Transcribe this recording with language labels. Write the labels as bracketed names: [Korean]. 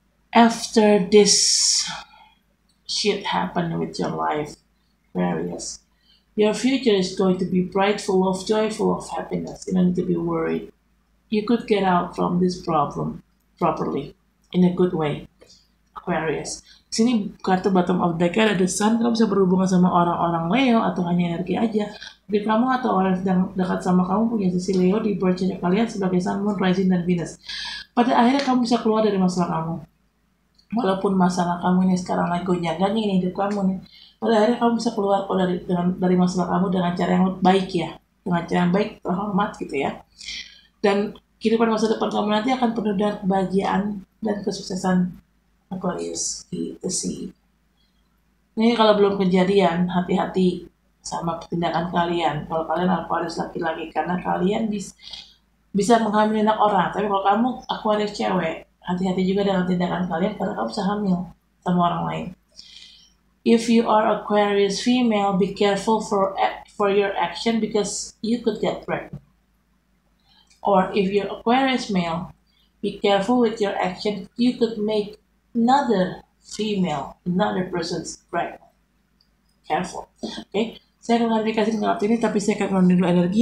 [English] After this shit happened with your life, Aquarius, your future is going to be bright, full of joy, full of happiness. You don't need to be worried. You could get out from this problem properly in a good way. [Indonesian] Aquarius. Di sini kartu bottom of deck ada the Sun. Kamu bisa berhubungan sama orang-orang Leo atau hanya energi aja. Jadi kamu atau orang yang dekat sama kamu punya sisi Leo di birth chart kalian sebagai Sun, Moon, Rising, dan Venus. Pada akhirnya kamu bisa keluar dari masalah kamu. Walaupun masalah kamu ini sekarang lagi gonjang-ganjing ini hidup kamu nih. Pada akhirnya kamu bisa keluar kok dari masalah kamu dengan cara yang baik ya. Dengan cara yang baik, terhormat gitu ya. Dan kehidupan masa depan kamu nanti akan penuh dengan kebahagiaan dan kesuksesan Aquarius gitu sih. Ini kalau belum kejadian, hati-hati sama tindakan kalian. Kalau kalian Aquarius laki-laki, karena kalian bisa menghamil anak orang. Tapi kalau kamu Aquarius cewek, hati-hati juga dengan tindakan kalian karena kamu bisa hamil sama orang lain. [English] If you are Aquarius female, be careful for your action because you could get pregnant. Or if you're Aquarius male, be careful with your action. You could make another female, another person's pregnant. Careful. Okay. [Indonesian] Saya akan klarifikasi dengan waktu ini, tapi saya akan menunjukkan dulu energi.